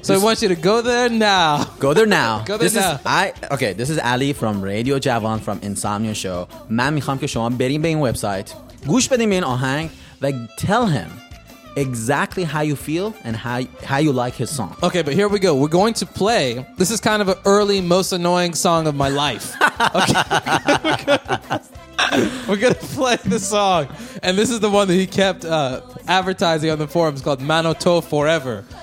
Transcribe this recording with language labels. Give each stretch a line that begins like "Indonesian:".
English: So I want you to go there now. Go there now. Go there this now. This is Ali from Radio Jawan from Insomnia Show.
Persian: من میخوام که شما بریم به این website. گوش بدیم به این آهنگ.
English: Like, tell him exactly how you feel and how you like his song. Okay, but here we go. We're going to play. This is kind of an early most annoying song of my life. Okay. We're going to play the song. And this is the one that he kept advertising on the forums called Manoto Forever.